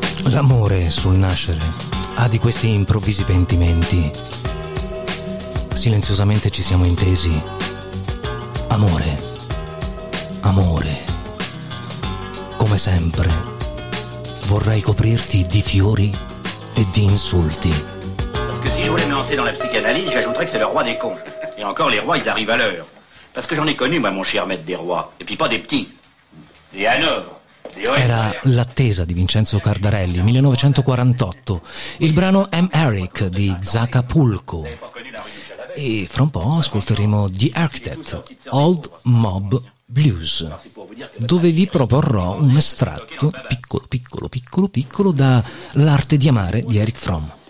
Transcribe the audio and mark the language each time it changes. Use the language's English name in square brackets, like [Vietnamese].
[Italian] L'amore sul nascere ha di questi improvvisi pentimenti. Silenziosamente ci siamo intesi. Amore. Amore. Come sempre, vorrei coprirti di fiori e di insulti. [French] Parce que si je voulais me lancer dans la psychanalyse, j'ajouterais que c'est le roi des cons. Et encore, les rois, ils arrivent à l'heure. Parce que j'en ai connu, moi, mon cher maître des rois. Et puis pas des petits. Des Hanovres. [Italian] Era L'attesa di Vincenzo Cardarelli, 1948, il brano M. Eric di Zacca Pulco. E fra un po' ascolteremo The Architect, Old Mob Blues, dove vi proporrò un estratto piccolo, piccolo, piccolo, piccolo da L'arte di amare di Eric Fromm.